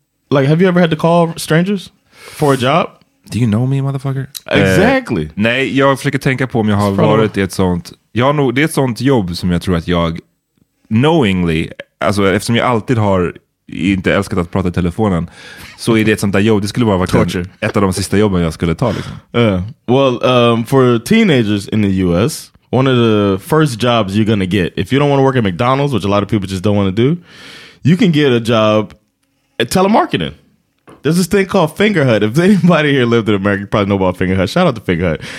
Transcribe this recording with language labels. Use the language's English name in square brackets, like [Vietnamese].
[English] Like, have you ever had to call strangers for a job? Do you know me, motherfucker? Exactly. [Swedish] Nej, jag försöker tänka på om jag har varit i ett sånt... Det är ett sånt jobb som jag tror att jag... [English] Knowingly, [Swedish] alltså eftersom jag alltid har inte älskat att prata i telefonen, så är det ett sånt där jobb. Det skulle bara vara ett av de sista jobben jag skulle ta. Liksom. [English] For teenagers in the US, one of the first jobs you're gonna get, if you don't want to work at McDonald's, which a lot of people just don't want to do, you can get a job... telemarketing. There's this thing called Fingerhut. If anybody here lived in America, you probably know about Fingerhut. Shout out to Fingerhut.